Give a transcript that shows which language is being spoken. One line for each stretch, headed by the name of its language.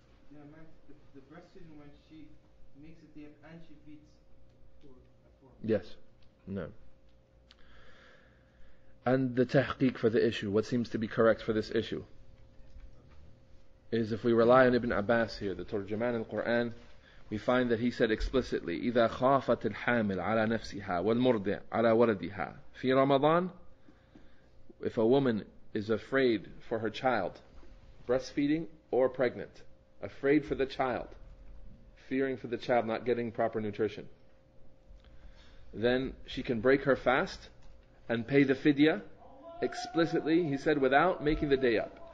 English: Yeah, man, the breastfeeding woman, she makes it there and she feeds for. Yes. No. And the tahqiq for the issue, what seems to be correct for this issue, is if we rely on Ibn Abbas here, the Turjaman al-Quran, we find that he said explicitly,
Arabic: إِذَا خَافَتِ الْحَامِلْ عَلَى نَفْسِهَا وَالْمُرْضِعَ عَلَى وَلَدِهَا فِي رَمَضَانِ.
English: If a woman is afraid for her child, breastfeeding or pregnant, afraid for the child, fearing for the child not getting proper nutrition, then she can break her fast and pay the fidya explicitly, he said, without making the day up.